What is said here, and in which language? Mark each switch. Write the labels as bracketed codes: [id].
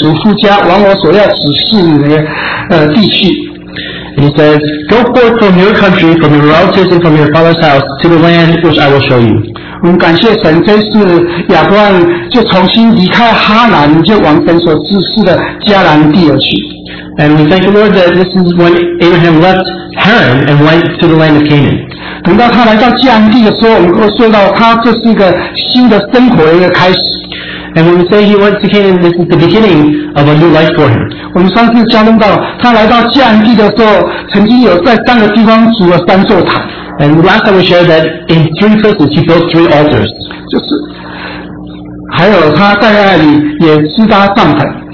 [zh] 神仍然对他说，你要离开本地本族父家，往我所要指示你的地去。 [en] And he says, go forth from your country, from your relatives, and from your father's house to the land which I will show you. [zh] 我们感谢神，这次亚伯拉罕就重新离开哈兰，就往神所指示的迦南地而去。 [en] And we thank the Lord that this is when Abraham left Haran and went to the land of Canaan. [zh] 等到他来到迦南地的时候，我们说到他这是一个新的生活的开始。 [en] And when we say he went to Canaan, this is the beginning of a new life for him. [zh] 我们上次交通到，他来到迦南地的时候，曾经有在三个地方筑了三座坛。 [en] And last time we shared that in three places he built three altars. [zh] 就是，还有他在那里也支搭帐篷。